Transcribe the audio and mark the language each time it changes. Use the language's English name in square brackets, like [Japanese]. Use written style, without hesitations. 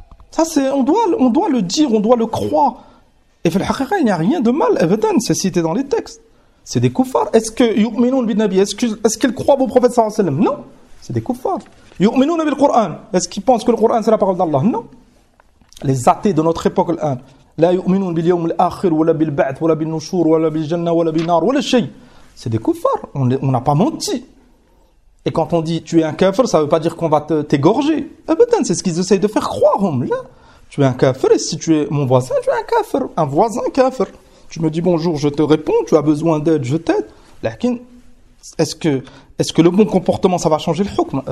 [French] Ça, c'est, on doit le dire, on doit le croire. Et [Arabic] fil haqiqa, [French] il n'y a rien de mal, evident, c'est cité dans les textes. C'est des kuffars. Est-ce que [Arabic] يُؤْمِنُونَ بِالنَّبِي, [French] est-ce qu'ils croient au prophète [Arabic] sallallahu alayhi wa sallam? [French] Non, c'est des kuffars. [Arabic] يُؤْمِنُونَ بِالْقُرْآن, [French] est-ce qu'ils pensent que le Coran c'est la parole d'Allah? Non. Les athées de notre époque, l'un, [Arabic] لَا يُؤْمِنُونَ بِالْيَوْمِ الْآخِرِ وَلَا بِالْبَعْثِ وَلَا بِالنُّشُورِ وَلَا بِالْجَنَّةِ وَلَا بِالنَّارِ وَلَا شَيْءٍ. [French] C'est des kuffars. On n'a pas menti. Et quand on dit tu es un kafir, ça ne veut pas dire qu'on va t'égorger. Eh ben, c'est ce qu'ils essayent de faire croire. Là, tu es un kafir et si tu es mon voisin, tu es un kafir. Un voisin kafir. Tu me dis bonjour, je te réponds, tu as besoin d'aide, je t'aide. [Arabic] Lakin, [French] est-ce que le bon comportement, ça va changer le hukm?